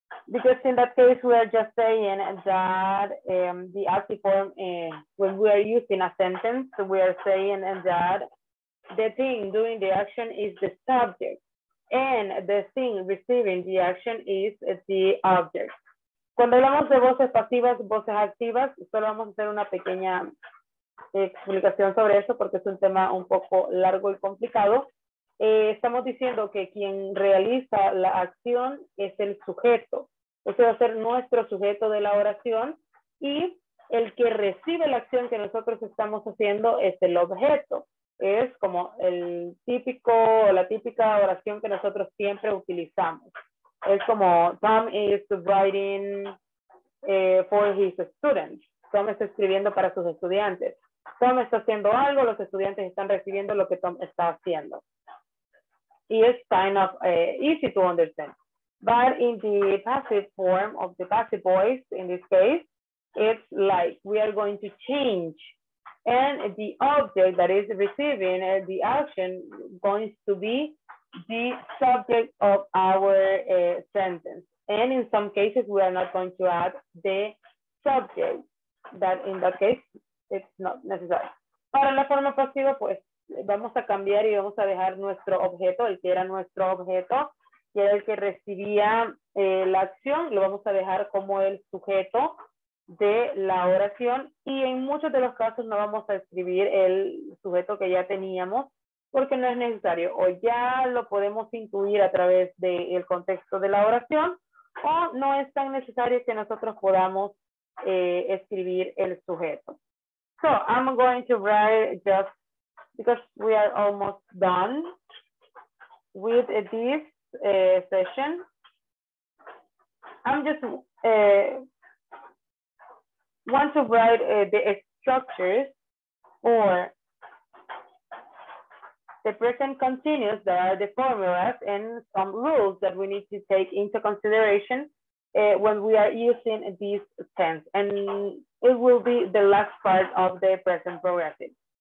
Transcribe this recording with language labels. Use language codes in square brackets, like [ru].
[en] Because in that case, we are just saying that the active form, when we are using a sentence, we are saying that the thing doing the action is the subject, and the thing receiving the action is the object. [es] Cuando hablamos de voces pasivas, voces activas, solo vamos a hacer una pequeña explicación sobre eso, porque es un tema un poco largo y complicado. Estamos diciendo que quien realiza la acción es el sujeto. Este va a ser nuestro sujeto de la oración y el que recibe la acción que nosotros estamos haciendo es el objeto. Es como el típico o la típica oración que nosotros siempre utilizamos. Es como [en] Tom is writing for his students. [es] Tom está escribiendo para sus estudiantes. Tom está haciendo algo, los estudiantes están recibiendo lo que Tom está haciendo. Y es [en] kind of easy to understand. But in the passive form of the passive voice, in this case, it's like we are going to change. And the object that is receiving the action going to be the subject of our sentence. And in some cases, we are not going to add the subject. That in that case, it's not necessary. [es] Para la forma pasiva, pues, vamos a cambiar y vamos a dejar nuestro objeto, el que era nuestro objeto, que era el que recibía la acción, lo vamos a dejar como el sujeto de la oración. Y en muchos de los casos no vamos a escribir el sujeto que ya teníamos, porque no es necesario. O ya lo podemos intuir a través del contexto de la oración, o no es tan necesario que nosotros podamos escribir el sujeto. [en] So, I'm going to write just because we are almost done with this session. I'm just want to write the structures or the present continuous that are the formulas and some rules that we need to take into consideration when we are using these tense, and it will be the last part of the present progressive.